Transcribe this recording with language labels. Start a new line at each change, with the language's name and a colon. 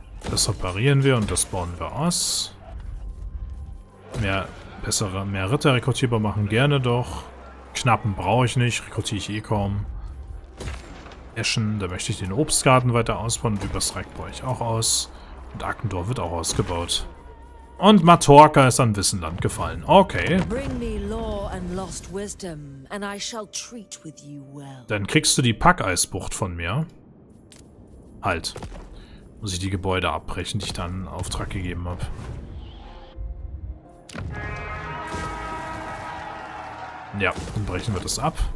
German: Das reparieren wir und das bauen wir aus. Mehr Ritter rekrutierbar machen gerne doch. Knappen brauche ich nicht. Rekrutiere ich eh kaum. Eschen, da möchte ich den Obstgarten weiter ausbauen. Übersreik baue ich auch aus. Und Ackendorf wird auch ausgebaut. Und Matorka ist an Wissenland gefallen. Okay.
English: Bring me lore and lost wisdom, and I shall treat with you well.
German: Dann kriegst du die Packeisbucht von mir. Halt. Muss ich die Gebäude abbrechen, die ich dann in Auftrag gegeben habe. Ja, dann brechen wir das ab.